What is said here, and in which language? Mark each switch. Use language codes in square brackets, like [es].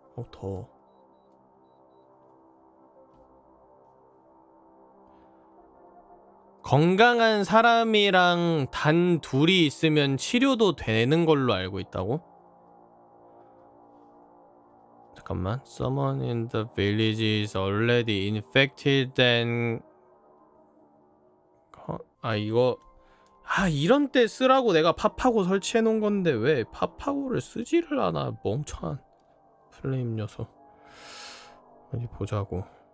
[ko] 더워. 건강한 사람이랑 단 둘이 있으면 치료도 되는 걸로 알고 있다고? 잠깐만. [en] Someone in the village is already infected and... [ko] 아 이거 아 이런 때 쓰라고 내가 파파고 설치해 놓은 건데 왜 파파고를 쓰지를 않아. 멍청한 플레임 녀석. 어디 보자고.